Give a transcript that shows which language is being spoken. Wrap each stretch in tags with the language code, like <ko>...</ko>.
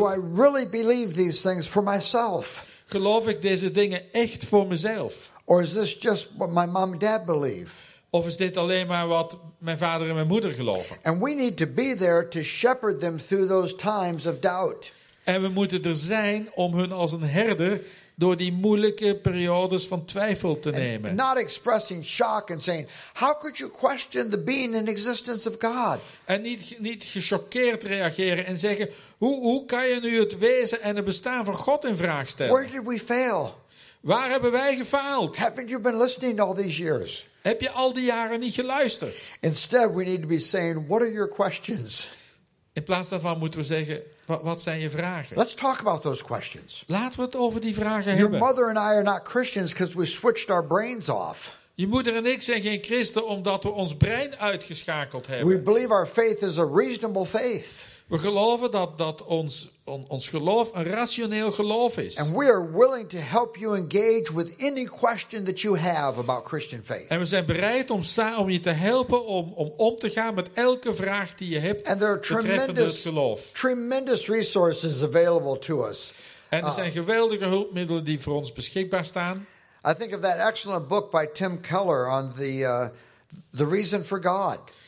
<en>Do I really believe these things for myself?</en> <nl>Geloof ik deze dingen echt voor mezelf?</nl> <en>Or is this just what my mom and dad believe?</en> <nl>Of is dit alleen maar wat mijn vader en mijn moeder geloven?</nl> <en>And we need to be there to shepherd them through those times of doubt.</en> <nl>En we moeten er zijn om hun als een herder door die moeilijke periodes van twijfel te nemen.</nl> <en>And not expressing shock and saying, how could you question the being and existence of God?</en> <nl>En niet gechoqueerd reageren en zeggen, hoe kan je nu het wezen en het bestaan van God in vraag stellen?</nl> <en>Where did we fail?</en> <nl>Waar hebben wij gefaald?</nl> <en>Haven't you been listening all these years?</en> <nl>Heb je al die jaren niet geluisterd?</nl> <en>Instead, we need to be saying, what are your questions?</en> <nl>In plaats daarvan moeten we zeggen, wat zijn je vragen?</nl> <en>Let's talk about those questions.</en> <nl>Laten we het over die vragen</nl> <en>your</en> <nl>hebben.</nl> <en>Your mother and I are not Christians because we switched our brains off.</en> <nl>Je moeder en ik zijn geen christen omdat we ons brein uitgeschakeld hebben.</nl> <en>We believe our faith is a reasonable faith.</en> <nl>We geloven dat ons geloof een rationeel geloof is.</nl> <en>And we are willing to help you engage with any question that you have about Christian faith.</en> <nl>En we zijn bereid om je te helpen om te gaan met elke vraag die je hebt betreffende het geloof.</nl> <en>Tremendous resources available to us.</en> <nl>En er zijn geweldige hulpmiddelen die voor ons beschikbaar staan.</nl> <en>I think of that excellent book by Tim Keller on the reason for God.</en>